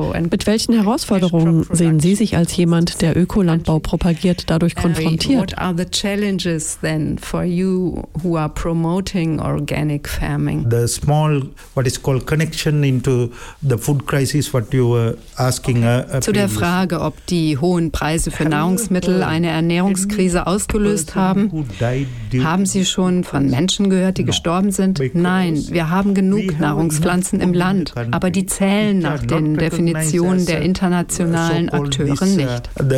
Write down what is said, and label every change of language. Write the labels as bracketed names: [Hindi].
[German] Mit welchen Herausforderungen sehen Sie sich als jemand, der Ökolandbau propagiert, dadurch konfrontiert? [English] What are the challenges then for you who are promoting organic farming? The small, what is called connection into the food crisis, what you were asking. [German] Zu der Frage, ob die hohen Preise für Nahrungsmittel eine Ernährungskrise ausgelöst haben. Haben Sie schon von Menschen gehört, die gestorben sind? Nein, wir haben genug Nahrungspflanzen im Land, aber die zählen nach den Definitionen der internationalen Akteure nicht.